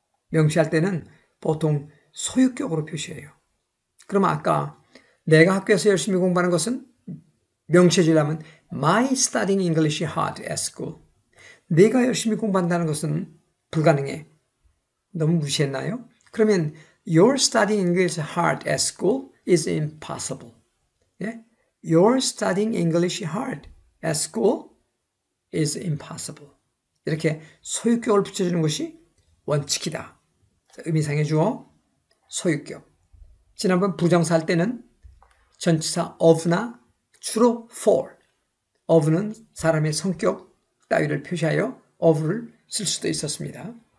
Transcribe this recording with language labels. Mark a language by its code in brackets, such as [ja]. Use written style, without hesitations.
[ko] 명시할 때는 보통 소유격으로 표시해요. 그러면 아까 내가 학교에서 열심히 공부하는 것은 명시해주려면 [en] My studying English is hard at school. [ko] 내가 열심히 공부한다는 것은 불가능해. 너무 무시했나요? [en] 그러면 Your studying English hard at school is impossible. [ko] 예? [en] Your studying English hard at school is impossible. [ko] 이렇게 소유격을 붙여주는 것이 원칙이다. 의미상의 주어, 소유격. 지난번 부정사 할 때는 전치사 of나 주로 for. of는 사람의 성격 따위를 표시하여 of를 쓸 수도 있었습니다.